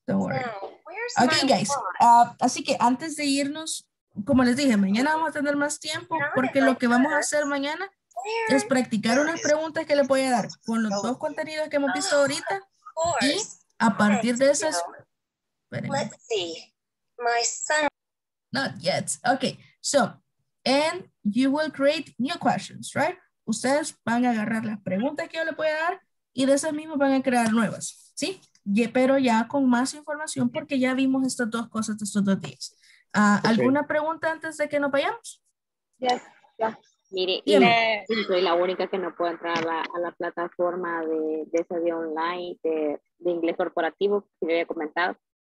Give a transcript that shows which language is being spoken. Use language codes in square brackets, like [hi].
[es] Ok, guys, así que antes de irnos, como les dije, mañana vamos a tener más tiempo porque lo que vamos a hacer mañana es practicar unas preguntas que le voy a dar con los dos contenidos que hemos visto ahorita y a partir de esas... [en] Espérenme. Let's see, my son... Not yet. Okay. So, and you will create new questions, right? [es] Ustedes van a agarrar las preguntas que yo les voy a dar y de esas mismas van a crear nuevas, ¿sí? Pero ya con más información porque ya vimos estas dos cosas de estos dos días. Okay. ¿Alguna pregunta antes de que nos vayamos? [en] Yes. [es] Mire, soy la única que no puede entrar a la plataforma de ese día online de inglés corporativo que le había comentado.